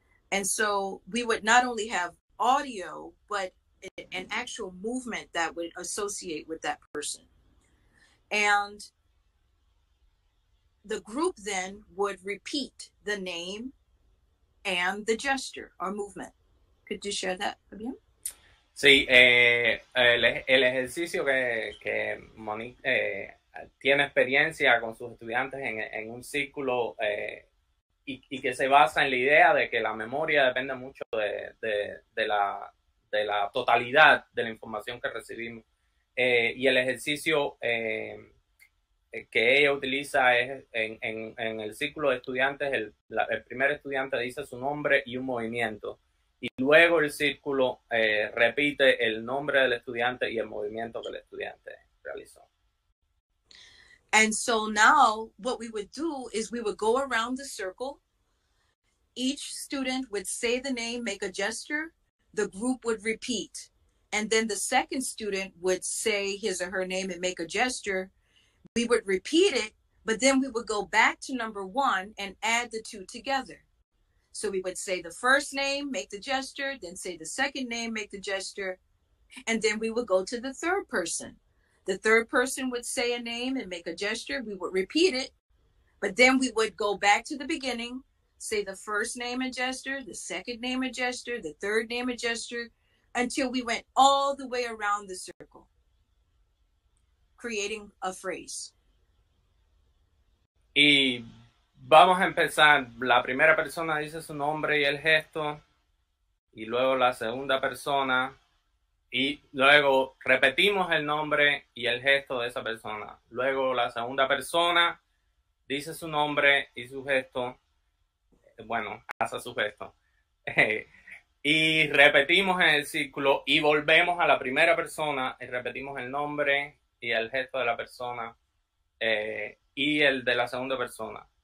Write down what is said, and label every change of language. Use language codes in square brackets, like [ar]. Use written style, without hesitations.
[en] And so we would not only have audio, but an actual movement that would associate with that person. And the group then would repeat the name and the gesture or movement. Could you share that, Fabian? [es] Sí, el ejercicio que Monique tiene experiencia con sus estudiantes en un círculo y que se basa en la idea de que la memoria depende mucho de la totalidad de la información que recibimos. Y el ejercicio que ella utiliza es en el círculo de estudiantes, el primer estudiante dice su nombre y un movimiento. Y luego el círculo repite el nombre del estudiante y el movimiento que el estudiante realizó. [en] And so now what we would do is we would go around the circle. Each student would say the name, make a gesture. The group would repeat. And then the second student would say his or her name and make a gesture. We would repeat it, but then we would go back to number one and add the two together. So we would say the first name, make the gesture, then say the second name, make the gesture, and then we would go to the third person. The third person would say a name and make a gesture. We would repeat it, but then we would go back to the beginning, say the first name and gesture, the second name and gesture, the third name and gesture, until we went all the way around the circle, creating a phrase. [es] Vamos a empezar. La primera persona dice su nombre y el gesto, y luego la segunda persona, y luego repetimos el nombre y el gesto de esa persona. Luego la segunda persona dice su nombre y su gesto, bueno, hace su gesto, y repetimos en el círculo y volvemos a la primera persona y repetimos el nombre y el gesto de la persona y el de la segunda persona.